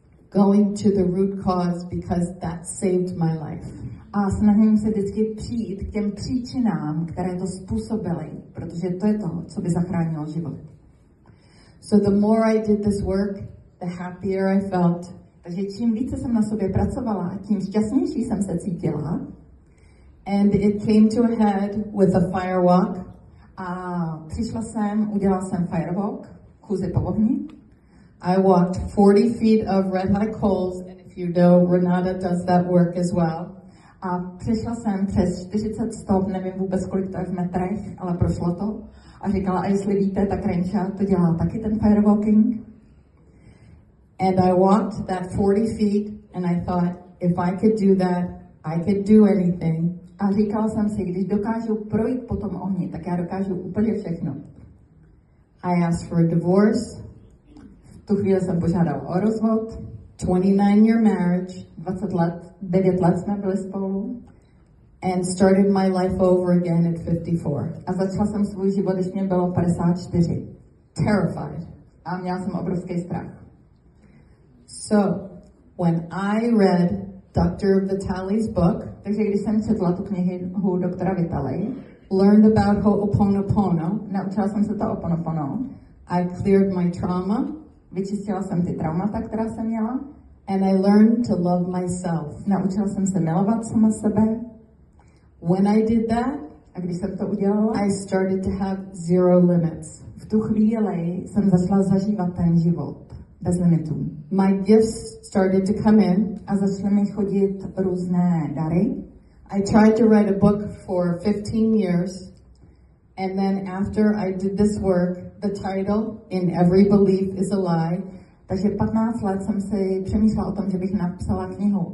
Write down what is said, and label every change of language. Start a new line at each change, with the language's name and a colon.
English: Going to the root cause because that saved my life.
Czech: A snažím se vždycky přijít k těm příčinám, které to způsobily, protože to je to, co by zachránilo život.
English: So the more I did this work, the happier I felt.
Czech: Takže čím více jsem na sobě pracovala, tím šťastnější jsem se cítila.
English: And it came to a head with a fire walk.
Czech: A přišla jsem, udělala jsem fire walk, kůzy po ohni.
English: I walked 40 feet of red hot coals, and if you know, Renata does that work as well.
Czech: A přišla jsem přes 40 stop, nevím vůbec kolik to je v metrech, ale prošlo to. A říkala, a jestli víte, tak Renča to dělá taky ten firewalking.
English: And I walked that 40 feet and I thought, if I could do that, I could do anything.
Czech: A říkala jsem si, když dokážu projít po tom ohni, tak já dokážu úplně všechno.
English: I asked for a divorce.
Czech: Tu chvíli jsem požádala o rozvod.
English: 29-year marriage.
Czech: 20 let, 9 let jsme byli spolu.
English: And started my life over again at 54.
Czech: A začala jsem svůj život, když mě bylo 54.
English: Terrified.
Czech: A měla jsem obrovský strach.
English: So, when I read Dr. Vitale's book,
Czech: takže když jsem četla tu knihu doktora Vitale,
English: learned about Ho'oponopono,
Czech: naučila jsem se to Ho'oponopono,
English: I cleared my trauma,
Czech: vyčistila jsem ty traumata, která jsem měla,
English: and I learned to love myself,
Czech: naučila jsem se milovat sama sebe.
English: When I did that,
Czech: a když jsem to udělala,
English: I started to have zero limits.
Czech: V tu chvíli jsem začala zažívat ten život bez limitů.
English: My gifts started to come in.
Czech: A začaly mi chodit různé dary.
English: I tried to write a book for 15 years. And then after I did this work, the title, In Every Belief Is a Lie.
Czech: Takže 15 let jsem si přemýšlela o tom, že bych napsala knihu.